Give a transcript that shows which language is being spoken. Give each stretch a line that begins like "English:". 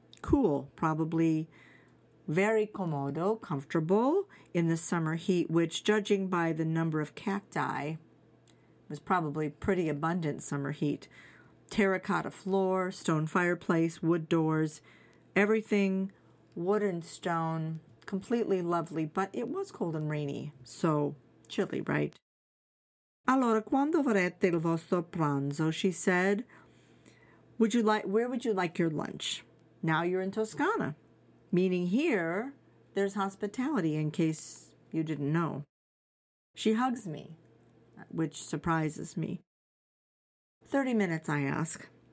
English: Cool, probably very comodo, comfortable in the summer heat, which, judging by the number of cacti, was probably pretty abundant summer heat. Terracotta floor, stone fireplace, wood doors, everything wooden, stone, completely lovely, but it was cold and rainy, so chilly, right?
Italian: "Allora, quando vorrete il vostro pranzo?"
English: she said. "Where would you like your lunch? Now you're in Toscana," meaning here there's hospitality, in case you didn't know. She hugs me, which surprises me. 30 minutes, I ask.